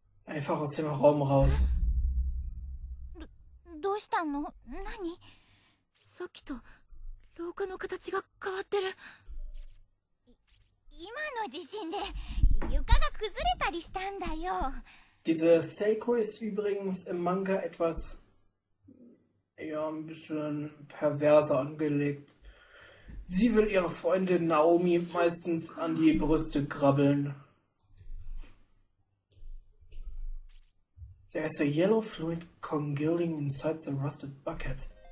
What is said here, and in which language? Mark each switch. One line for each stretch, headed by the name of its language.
German: Einfach aus dem Raum raus.
Japanese: どうしたの？何？さっきと廊下の形が変わってる。今の地震で床が崩れたりしたんだよ。
German: Diese Seiko ist übrigens im Manga etwas ja ein bisschen perverser angelegt. Sie will ihre Freundin Naomi meistens an die Brüste krabbeln.
English: There is a yellow fluid congealing inside the rusted bucket.